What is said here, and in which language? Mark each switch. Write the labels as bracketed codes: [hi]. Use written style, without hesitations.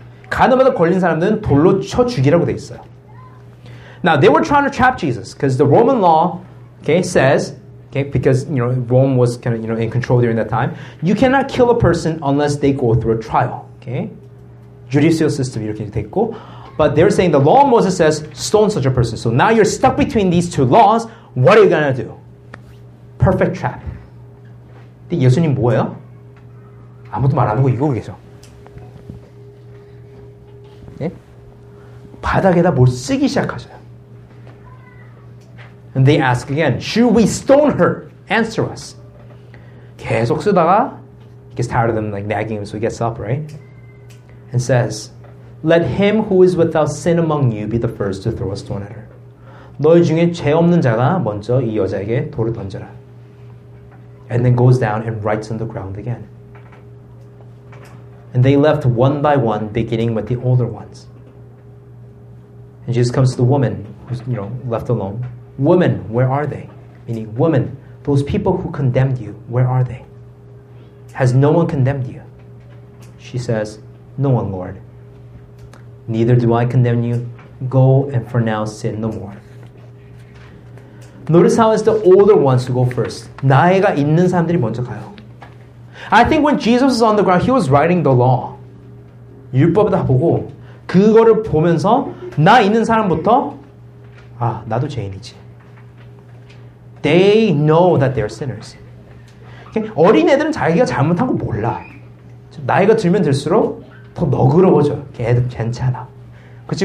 [ko] 간음하다 걸린 사람들은 돌로 쳐 죽이라고 돼 있어요. [en] Now, they were trying to trap Jesus because the Roman law, okay, says, okay, because, you know, Rome was kind of, you know, in control during that time, you cannot kill a person unless they go through a trial, okay? Judicial system, [ko] 이렇게 됐고. [en] But they're saying the law of Moses says, stone such a person. So now you're stuck between these two laws. What are you going to do? Perfect trap. [ko] 근데 예수님 뭐예요? 아무도 말 안 하고 이거 계셔. 네? 바닥에다 뭘 쓰기 시작하셔요. [en] And they ask again, should we stone her? Answer us. [ko] 계속 쓰다가, [en] he gets tired of them, like nagging him, so he gets up, right? And says, let him who is without sin among you be the first to throw a stone at her. [ko] 너희 중에 죄 없는 자가 먼저 이 여자에게 돌을 던져라. [en] And then goes down and writes on the ground again. And they left one by one, beginning with the older ones. And Jesus comes to the woman, who's, you know, left alone. Woman, where are they? Meaning, woman, those people who condemned you, where are they? Has no one condemned you? She says, no one, Lord. Neither do I condemn you. Go and for now sin no more. Notice how it's the older ones who go first. [ko] 나이가 있는 사람들이 먼저 가요. [en] I think when Jesus was on the ground, he was writing the law. [ko] 율법을 다 보고 그거를 보면서 나 있는 사람부터 아, 나도 죄인이지. [en] They know that they're sinners. Okay? [ko] 어린애들은 자기가 잘못한 거 몰라. 나이가 들면 들수록 더 너그러워져. 걔들 괜찮아. 그치?